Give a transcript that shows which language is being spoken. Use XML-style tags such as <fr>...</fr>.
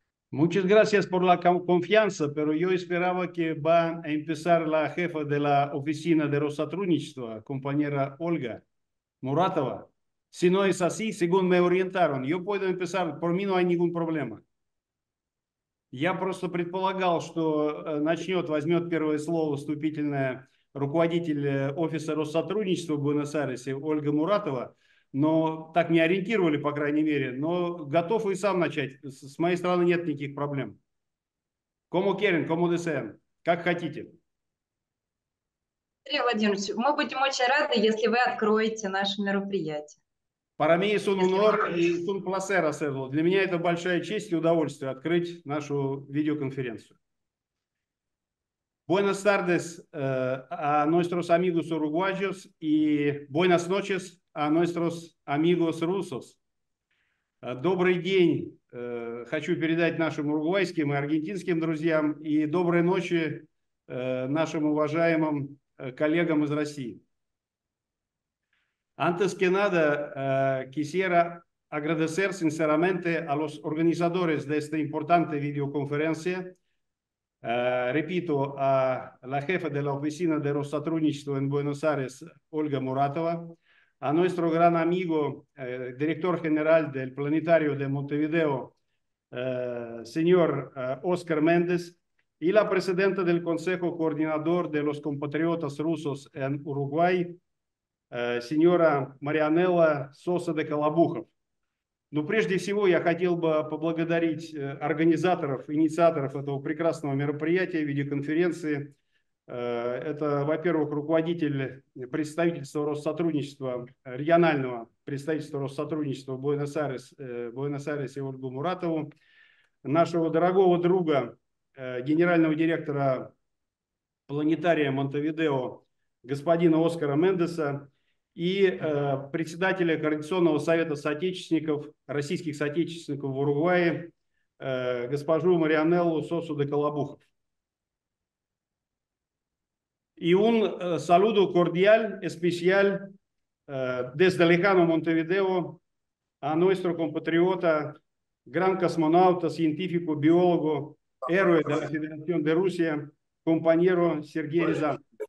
<es>Muchas gracias por la confianza, pero yo esperaba que va a empezar la jefa de la oficina de Rosatrunichstvo, compañera Olga Muratova. Si no es así, según me orientaron, yo puedo empezar, por mí no hay ningún problema.</es> <ru>Я просто предполагал, что начнет, возьмет первое слово вступительная руководитель Офиса Россотрудничества в Буэнос-Айресе Ольга Муратова, но так не ориентировали, по крайней мере, но готов и сам начать. С моей стороны нет никаких проблем.</ru> <es>Кому керен, кому десен,</es> <ru>как хотите. Андрей Владимирович, мы будем очень рады, если вы откроете наше мероприятие.</ru> <es>Para mí es un honor y es un placer hacerlo.</es> <ru>Для меня это большая честь и удовольствие открыть нашу видеоконференцию.</ru> <es>Buenas tardes a nuestros amigos uruguayos y buenas noches a nuestros amigos rusos.</es> <ru>Добрый день хочу передать нашим уругвайским и аргентинским друзьям и доброй ночи нашим уважаемым коллегам из России.</ru> <es>Antes que nada, quisiera agradecer sinceramente a los organizadores de esta importante videoconferencia. Repito, a la jefa de la Oficina de Rossatrunichstvo en Buenos Aires, Olga Muratova, a nuestro gran amigo, director general del Planetario de Montevideo, señor Oscar Méndez, y la presidenta del Consejo Coordinador de los Compatriotas Rusos en Uruguay, сеньора Марианелла Соса де Калабухов.</es> <ru>Но прежде всего я хотел бы поблагодарить организаторов, инициаторов этого прекрасного мероприятия в виде конференции. Это, во-первых, руководитель представительства Россотрудничества, регионального представительства Россотрудничества Буэнос-Айрес и Ольгу Муратову, нашего дорогого друга, генерального директора Планетария Монтевидео, господина Оскара Мендеса, и председателя Координационного совета соотечественников, российских соотечественников в Уругвае, госпожу Марианеллу Сосу де Калабухов.</ru> <es>И un saludo cordial, especial, desde lejano Montevideo, a nuestro compatriota, gran cosmonauta, científico, biólogo, héroe de la Federación de Rusia, compañero Сергей Рязанов.</es>